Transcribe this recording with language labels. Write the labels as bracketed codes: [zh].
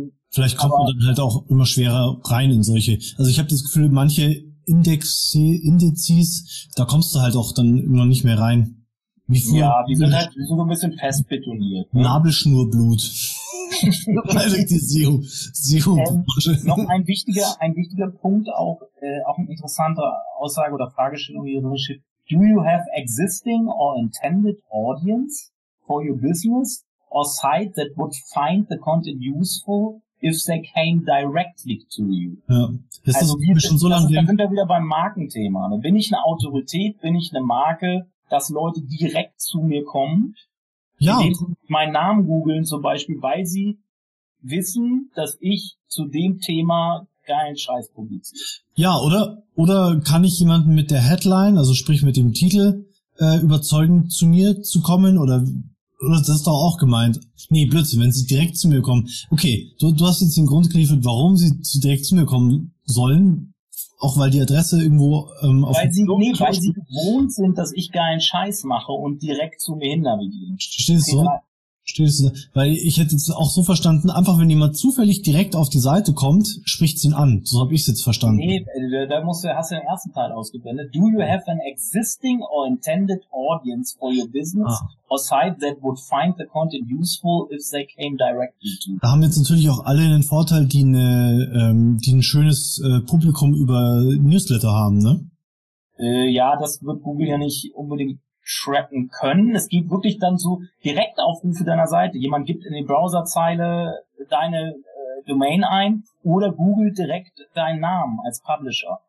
[de] Vielleicht kommt man dann halt auch immer schwerer rein in solche. Also ich habe das Gefühl, manche Indizes, da kommst du halt auch dann immer nicht mehr rein. Wie früher, die sind halt so ein bisschen fest betoniert. Ne? Nabelschnurblut. Dialektisierung. Noch ein wichtiger Punkt, auch eine interessante Aussage oder Fragestellung hier drin steht. [en] Do you have existing or intended audience for your business or site that would find the content useful if they came directly to you? [de] Ja, ist also, das wir schon so lange. Da sind wir wieder beim Markenthema. Ne? Bin ich eine Autorität, bin ich eine Marke, dass Leute direkt zu mir kommen, ja, indem sie meinen Namen googeln zum Beispiel, weil sie wissen, dass ich zu dem Thema geilen Scheiß publiziere. Ja, oder kann ich jemanden mit der Headline, also sprich mit dem Titel, überzeugen, zu mir zu kommen? Oder das ist doch auch gemeint. Nee, Blödsinn, wenn sie direkt zu mir kommen. Okay, du hast jetzt den Grund geliefert, warum sie direkt zu mir kommen sollen. Auch weil die Adresse irgendwo auf dem Klo steht. Weil sie gewohnt sind, dass ich geilen Scheiß mache und direkt zu mir hinnavigieren. Stehst du da? Weil ich hätte es auch so verstanden, einfach wenn jemand zufällig direkt auf die Seite kommt, spricht sie ihn an. So habe ich es jetzt verstanden. Nee, hast du den ersten Teil ausgeblendet. [en] Do you have an existing or intended audience for your business or site that would find the content useful if they came directly to you? [de] Da haben jetzt natürlich auch alle einen Vorteil, die ein schönes Publikum über Newsletter haben, ne? Ja, das wird Google ja nicht unbedingt tracken können. Es gibt wirklich dann so Direktaufrufe deiner Seite. Jemand gibt in die Browserzeile deine Domain ein oder googelt direkt deinen Namen als Publisher.